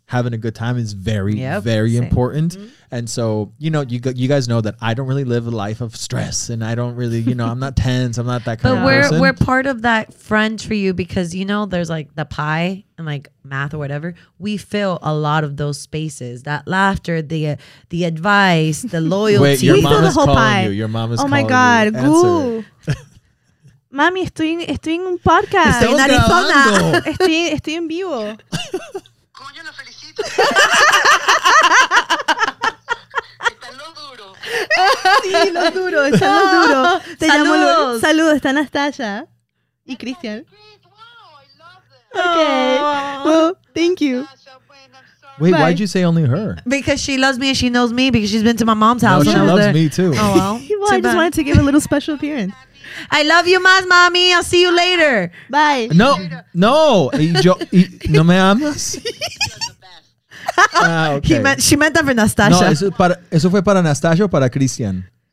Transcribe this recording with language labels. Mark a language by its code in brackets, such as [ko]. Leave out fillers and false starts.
[en] Having a good time is very, very important. Mm-hmm. And so, you know, you guys know that I don't really live a life of stress, and I don't really, you know, I'm not tense. I'm not that kind of person. But we're part of that friend for you because, you know, there's like the pie and like math or whatever. We fill a lot of those spaces, that laughter, the advice, the loyalty. Wait, your mom is calling pie. You. Your mom is calling you. Oh, my God. Goo. [es] Mami, estoy en un podcast. Estamos en Arizona. Grabando. Estoy en vivo. Coño, lo felicito. Están los duros. Sí, los duros. Están los duros. Te llamo Luis. Saludos, está Nastasha. Y Cristian. [en] Wow, I love them. Okay. Well, thank you. Wait, why'd you say only her? Because she loves me and she knows me because she's been to my mom's house. No, she loves me too. Oh, well. Well, I just wanted to give a little special appearance. I love you, Mas, Mommy. I'll see you later. Bye. [es] No. No me amas? [en] Okay. She meant that for Nastasha. [es] No, eso fue para Nastasha o para Cristian?